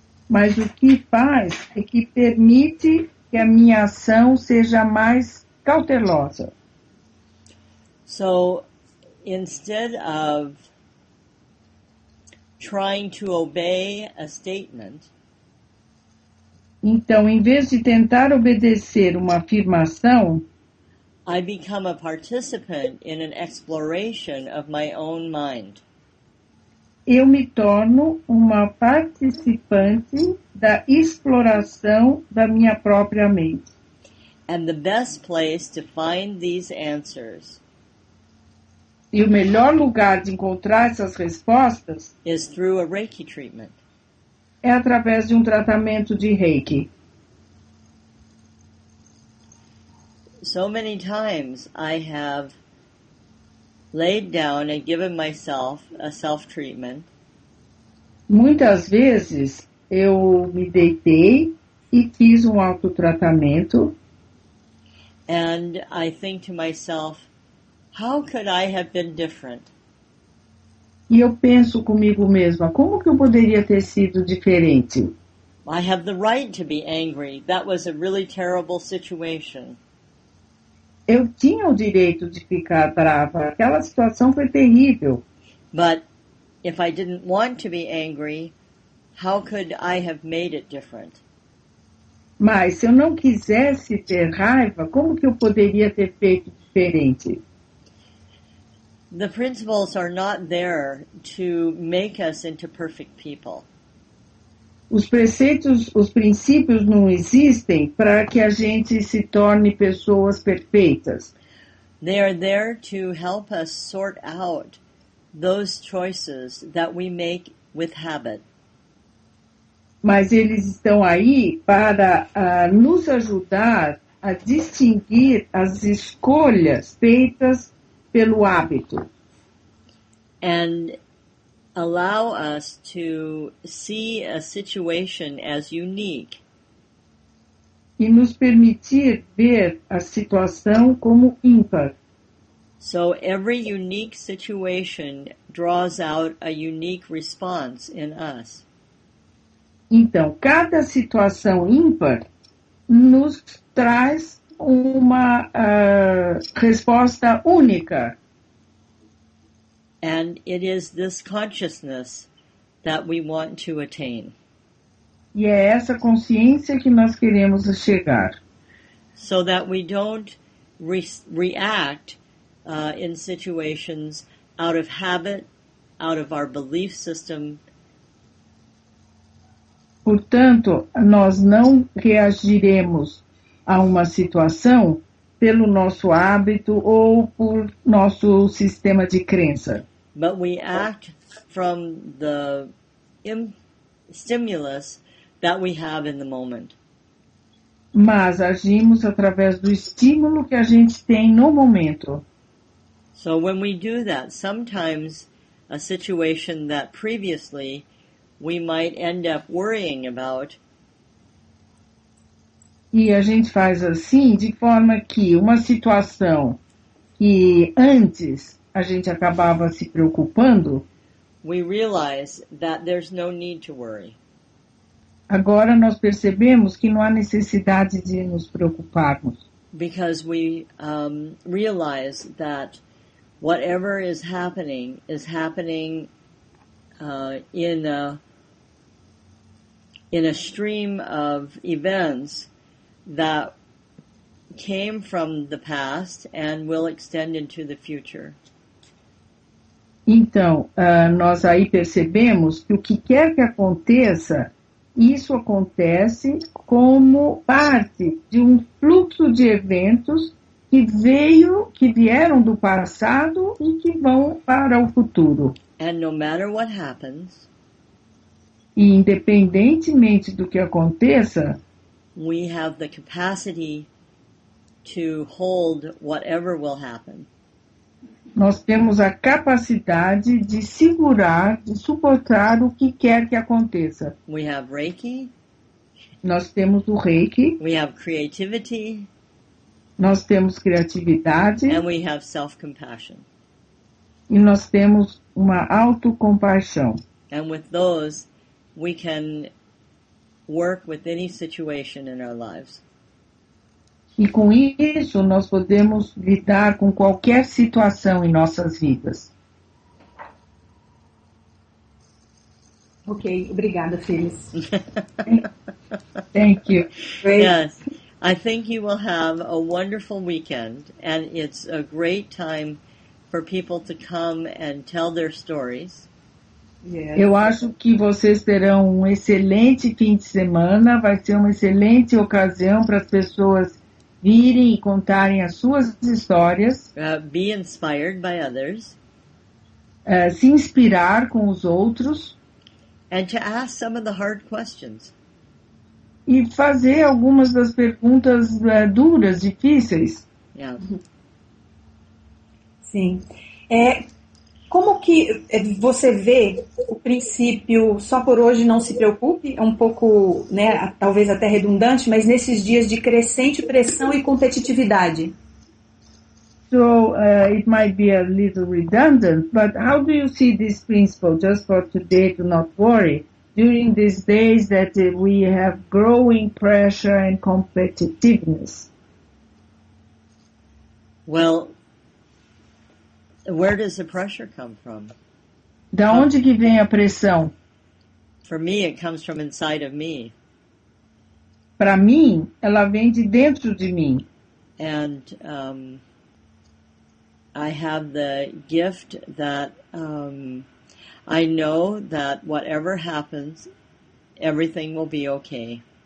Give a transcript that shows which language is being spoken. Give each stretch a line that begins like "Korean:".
Portuguese: Mas o que faz é que permite que a minha ação seja mais cautelosa.
English: So, instead of trying to obey a statement,
Portuguese: então, em vez de tentar obedecer uma afirmação,
English: I become a participant in an exploration of my own mind.
Portuguese: Eu me torno uma participante da exploração da minha própria mente.
English: And the best place to find these answers.
Portuguese: E o melhor lugar de encontrar essas respostas
English: is through a Reiki treatment.
Portuguese: É através de tratamento de Reiki.
English: So many times I have laid down and given myself a self-treatment.
Portuguese: Muitas vezes eu me deitei e fiz autotratamento.
English: And I think to myself, how could I have been different?
Portuguese: E eu penso comigo mesma, como que eu poderia ter sido diferente?
English: I have the right to be angry. That was a really terrible situation.
Portuguese: Eu tinha o direito de ficar brava. Aquela situação foi terrível.
English: But if I didn't want to be angry, how could I have made it different?
Portuguese: Mas se eu não quisesse ter raiva, como que eu poderia ter feito diferente?
English: The principles are not there to make us into perfect people.
Portuguese: Os princípios não existem para que a gente se torne pessoas perfeitas.
English: They are there to help us sort out those choices that we make with habit.
Portuguese: Mas eles estão aí para nos ajudar a distinguir as escolhas feitas pelo hábito.
English: And allow us to see a situation as unique.
Portuguese: E nos permitir ver a situação como ímpar.
English: So every unique situation draws out a unique response in us.
Portuguese: Então, cada situação ímpar nos traz uma resposta única.
English: And it is this consciousness that we want to attain.
Portuguese: E é essa consciência que nós queremos chegar.
English: So that we don't react in situations out of habit, out of our belief system.
Portuguese: Portanto, nós não reagiremos a uma situação pelo nosso hábito ou por nosso sistema de crença.
English: But we act from the stimulus that we have in the moment.
Portuguese: Mas agimos através do estímulo que a gente tem no momento.
English: So when we do that, sometimes a situation that previously we might end up worrying about.
Portuguese: E a gente faz assim de forma que uma situação que antes a gente acabava se preocupando,
English: we realize that there's no need to worry.
Portuguese: Agora nós percebemos que não há necessidade de nos preocuparmos.
English: Because we realize that whatever is happening in a stream of events that came from the past and will extend into the future.
Portuguese: Então, nós aí percebemos que o que quer que aconteça, isso acontece como parte de fluxo de eventos que vieram do passado e que vão para o futuro.
English: And no matter what happens,
Portuguese: e independentemente do que aconteça,
English: we have the capacity to hold whatever will happen.
Portuguese: Nós temos a capacidade de segurar, de suportar o que quer que aconteça.
English: We have Reiki.
Portuguese: Nós temos o Reiki.
English: We have creativity.
Portuguese: Nós temos criatividade.
English: And we have self-compassion.
Portuguese: E nós temos uma autocompaixão.
English: And with those, we can work with any situation in our lives.
Portuguese: E com isso, nós podemos lidar com qualquer situação em nossas vidas. Ok, obrigada, Phyllis.
English: Thank you. Great. Yes, I think you will have a wonderful weekend, and it's a great time for people to come and tell their stories. Yes.
Portuguese: Eu acho que vocês terão um excelente fim de semana, vai ser uma excelente ocasião para as pessoas virem e contarem as suas histórias.
English: Be inspired by others.
Portuguese: Se inspirar com os outros.
English: And to ask some of the hard questions.
Portuguese: E fazer algumas das perguntas duras, difíceis.
English: Yeah.
Portuguese: Sim. Como que você vê o princípio só por hoje não se preocupe? É um pouco, né, talvez até redundante, mas nesses dias de crescente pressão e competitividade.
English: So, it might be a little redundant, but how do you see this principle just for today to not worry during these days that we have growing pressure and competitiveness? Well, where does the pressure come from?
Portuguese: Da onde que vem a pressão?
English: For me, it comes from inside of me.
Portuguese: Para mim, ela vem de dentro de mim.
English: And I have the gift that I know that whatever happens, everything will be okay.